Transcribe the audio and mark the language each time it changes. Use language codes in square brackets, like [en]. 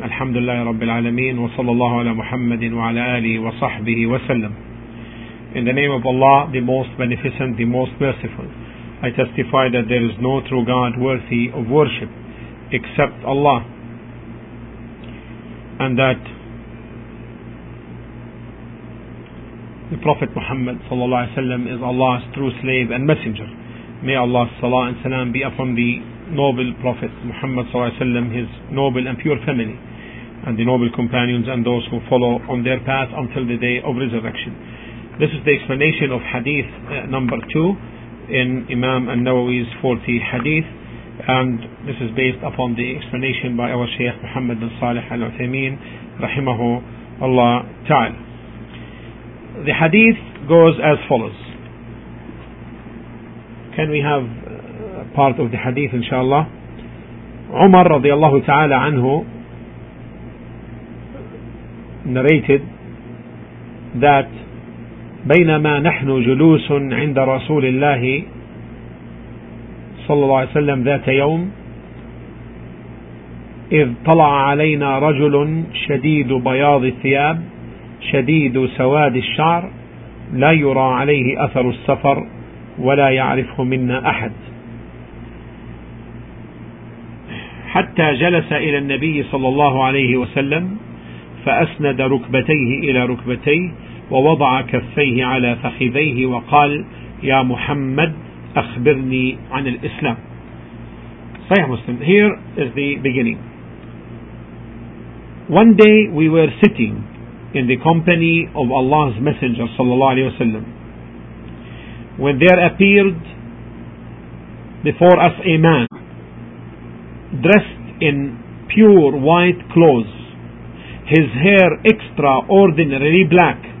[ar] الحمد لله رب العالمين، وصلى الله على محمد وعلى آله وصحبه وسلم. [en] In the name of Allah, the most beneficent, the most merciful, I testify that there is no true God worthy of worship except Allah, and that the Prophet Muhammad sallallahu alaihi wasallam is Allah's true slave and messenger. May Allah's salah and salam be upon the noble Prophet Muhammad sallallahu alaihi wasallam, his noble and pure family, and the noble companions and those who follow on their path until the day of resurrection. This is the explanation of hadith number 2 in Imam An-Nawawi's 40 hadith, and this is based upon the explanation by our Shaykh Muhammad bin Salih Al-Uthaymeen rahimahu Allah ta'ala. The hadith goes as follows. Can we have part of the hadith inshallah? Umar radiyallahu ta'ala anhu narrated that [ar] بينما نحن جلوس عند رسول الله صلى الله عليه وسلم ذات يوم إذ طلع علينا رجل شديد بياض الثياب شديد سواد الشعر لا يرى عليه أثر السفر ولا يعرفه منا أحد حتى جلس إلى النبي صلى الله عليه وسلم فأسند ركبتيه إلى ركبتيه ووضع كفيه على فخذيه وقال يا محمد أخبرني عن الإسلام. [en] صحيح مسلم. Here is the beginning. One day we were sitting in the company of Allah's Messenger صلى الله عليه وسلم when there appeared before us a man dressed in pure white clothes, his hair extraordinarily black.